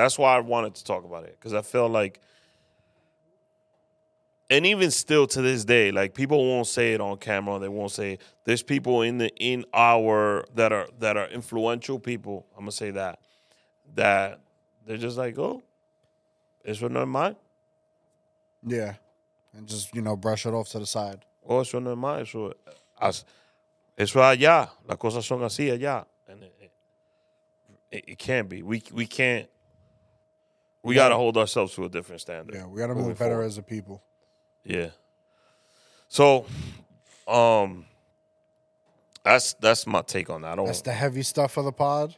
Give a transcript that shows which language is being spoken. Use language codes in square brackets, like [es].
[en] That's why I wanted to talk about it, because I feel like, and even still to this day, like, people won't say it on camera. They won't say it. There's people that are influential people. I'm gonna say that they're just like, oh, it's another mine. Yeah, and just, you know, brush it off to the side. Oh, it's another mine. [es] So Eso allá, las cosas son así allá, [en] and it can't be. We can't. We got to hold ourselves to a different standard. Yeah, we got to move better as a people. Yeah. So, that's my take on that. That's the heavy stuff of the pod.